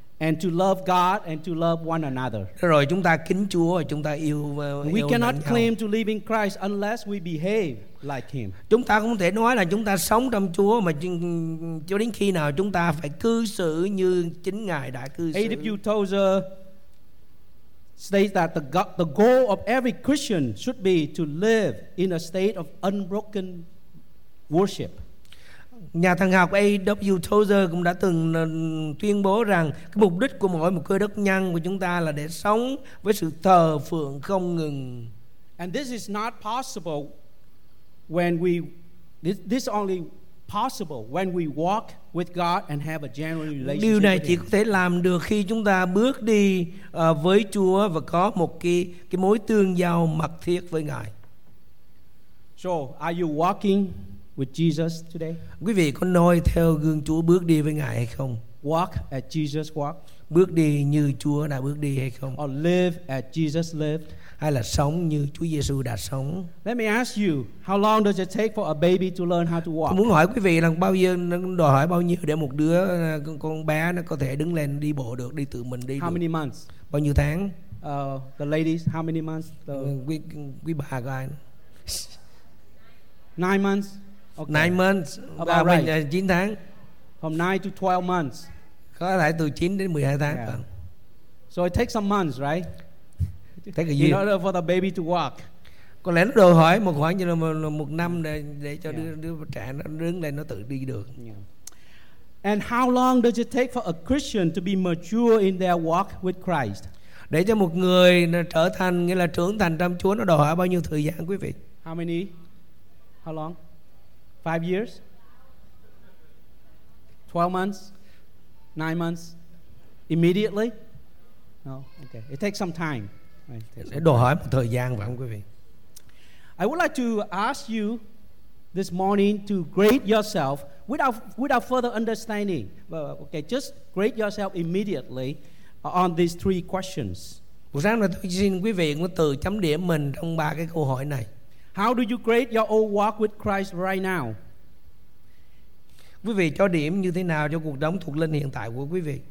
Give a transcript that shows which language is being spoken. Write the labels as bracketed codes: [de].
[en] And to love God and to love one another. [vi] Rồi chúng ta kính Chúa và chúng ta yêu [en] We cannot claim to live in Christ unless we behave like him. [vi] Chúng ta không thể nói là chúng ta sống trong Chúa mà cho đến khi nào chúng ta phải cư xử như chính Ngài đã cư xử. [en] A.W. Tozer states that the goal of every Christian should be to live in a state of unbroken worship. [vi] Nhà thần học A.W. Tozer cũng đã từng tuyên bố rằng cái mục đích của mỗi một Cơ Đốc nhân của chúng ta là để sống với sự thờ phượng không ngừng. [en] And this is not possible when we this only possible when we walk with God and have a genuine relationship. [vi] Điều này chỉ có thể làm được khi chúng ta bước đi với Chúa và có một cái mối tương giao mật thiết với Ngài. [en] So, are you walking with Jesus today? [vi] Quý vị có noi theo gương Chúa bước đi với Ngài hay không? [en] Walk as Jesus walked. [vi] Bước đi như Chúa đã bước đi hay không? [en] Or live as Jesus lived. [vi] Hay là sống như Chúa Giêsu đã sống. [en] Let me ask you, how long does it take for a baby to learn how to walk? [vi] Tôi muốn hỏi quý vị là bao nhiêu đòi hỏi bao nhiêu để một đứa con bé nó có thể đứng lên đi bộ được, đi tự mình đi được? [en] How many months? [vi] Bao nhiêu tháng? [en] The ladies, how many months? [vi] Quý bà có ai? [en] 9 months. Okay. 9 months. About right. [vi] 9 tháng. [en] From 9 to 12 months. [vi] Có thể từ 9 đến 12 tháng. Yeah. [en] So it takes some months, right? Take a year. In order for the baby to walk. [vi] Có lẽ nó đòi hỏi một khoảng như là một năm để cho đứa trẻ nó đứng lên nó tự đi được. [en] Yeah. And how long does it take for a Christian to be mature in their walk with Christ? [vi] Để cho một người trở thành nghĩa là trưởng thành trong Chúa nó đòi hỏi bao nhiêu thời gian quý vị? [en] How many? How long? 5 years? 12 months? 9 months? Immediately? No, okay. It takes some time. [vi] Để đòi hỏi một thời gian phải không quý vị? [en] I would like to ask you this morning to grade yourself without further understanding. Okay, just grade yourself immediately on these three questions. [vi] Buổi sáng nay tôi xin quý vị cũng tự chấm điểm mình trong ba cái câu hỏi này. [en] How do you grade your old walk with Christ right now? [vi] Quý vị cho điểm như thế nào cho cuộc sống thuộc linh hiện tại của quý vị?